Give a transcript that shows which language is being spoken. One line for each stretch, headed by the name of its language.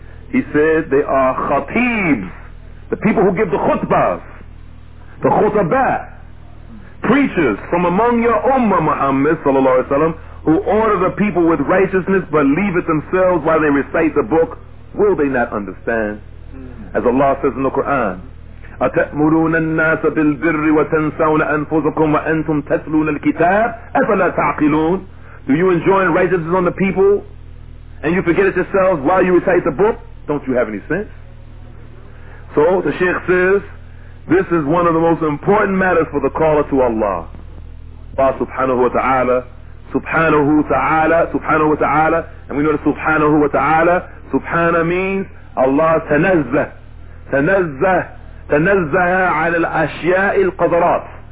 English: He said, they are khatibs, the people who give the khutbahs, the khutbah, preachers from among your ummah, Muhammad sallallahu alayhi wa sallam, who order the people with righteousness but leave it themselves while they recite the book. Will they not understand? As Allah says in the Quran,
Arabic: أَتَأْمُرُونَ النَّاسَ بِالْبِرِّ وَتَنْسَوْنَ أَنفُسَكُمْ وَأَنْتُمْ تَتْلُونَ الْكِتَابَ أَفَلَا تَعْقِلُونَ.
English: Do you enjoin righteousness on the people and you forget it yourselves while you recite the book? Don't you have any sense? So the Shaykh says, this is one of the most important matters for the caller to Allah. Allah subhanahu wa ta'ala, subhanahu wa ta'ala, subhanahu wa ta'ala, and we know that subhanahu wa ta'ala, subhana means Allah tanazzah, tanazzah, tanazzaha ala al-ashya'i al-qadarat.